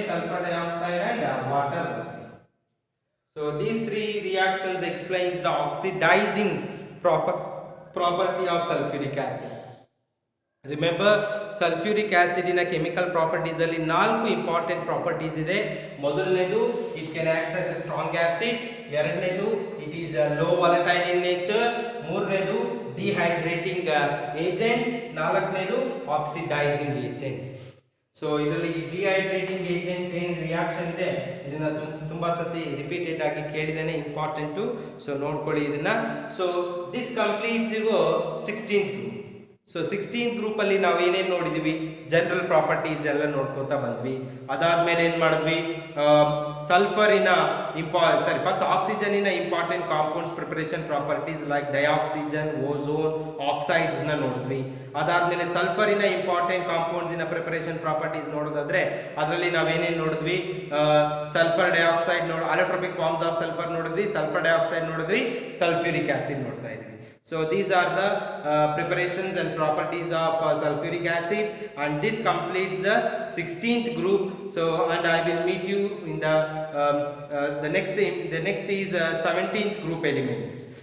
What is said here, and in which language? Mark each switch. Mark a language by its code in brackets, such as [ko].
[en] Sulphur dioxide and water. So these three reactions explains the oxidising property of sulphuric acid. [kn] Remember, sulphuric ಆಸಿಡಿನ chemical properties ಅಲ್ಲಿ ನಾಲ್ಕು important properties ಇದೆ. ಮೊದಲನೇದು [en] It can act as a strong acid. [kn] ಎರಡನೇದು [en] It is low volatile in nature. [kn] ಮೂರನೇದು [en] dehydrating agent. [kn] ನಾಲ್ಕನೇದು [en] oxidizing agent. [kn] So ಇದರಲ್ಲಿ dehydrating agent ಏನು reaction ಇದೆ ಇದನ್ನ ತುಂಬಾ ಸತಿ ರಿಪೀಟೆಡ್ ಆಗಿ ಕೇಳಿದಾನೆ, ಇಂಪಾರ್ಟೆಂಟು. ಸೊ ನೋಡ್ಕೊಳ್ಳಿ ಇದನ್ನ. [en] so this completes [kn] ಇವು 16th group. So 16th group ಅಲ್ಲಿ ನಾವೇನೇನು ನೋಡಿದ್ವಿ, ಜನರಲ್ ಪ್ರಾಪರ್ಟೀಸ್ ಎಲ್ಲ ನೋಡ್ಕೋತಾ ಬಂದ್ವಿ. ಅದಾದ್ಮೇಲೆ ಏನ್ ಮಾಡಿದ್ವಿ, ಸಲ್ಫರಿನ first ಆಕ್ಸಿಜನಿನ important compounds preparation properties like dioxygen, ozone, oxides ನ ನೋಡಿದ್ವಿ. ಅದಾದ್ಮೇಲೆ ಸಲ್ಫರಿನ ಇಂಪಾರ್ಟೆಂಟ್ ಕಾಂಪೌಂಡ್ಸ್ ಇನ ಪ್ರಿಪರೇಷನ್ ಪ್ರಾಪರ್ಟೀಸ್ ನೋಡೋದಾದ್ರೆ ಅದರಲ್ಲಿ ನಾವೇನೇನು ನೋಡಿದ್ವಿ, sulphur dioxide ಅಲೆಕ್ಟ್ರೋಪಿಕ್ forms of sulphur ನೋಡಿದ್ವಿ, ಸಲ್ಫರ್ ಡೈಆಕ್ಸೈಡ್ ನೋಡಿದ್ವಿ, ಸಲ್ಫ್ಯೂರಿಕ್ ಆಸಿಡ್ ನೋಡ್ತಾ ಇದ್ವಿ. [en] So these are the preparations and properties of sulfuric acid, and this completes the 16th group. So and I will meet you in the next is 17th group elements.